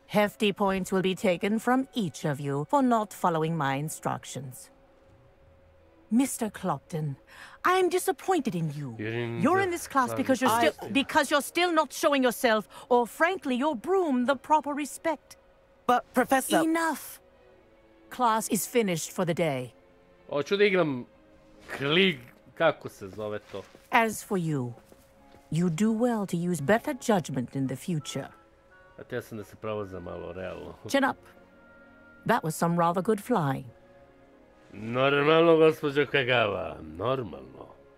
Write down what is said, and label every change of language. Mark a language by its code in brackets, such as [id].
[en] Hefty points will be taken from each of you for not following my instructions. Mr. Clopton, I am disappointed in you. You're in this class because you're still not showing yourself, or frankly, your broom, the proper respect. But, Professor... Enough! Class is finished for the day. [sr] Hoću da igram klig, kako se zove to? [en] As for you, you do well to use better judgment in the future. [sr] A te sam da se pravo za malo, realno. [en] Chin up. That was some rather good flying. [sr] Normalno, gospođo Kagawa. Normalno.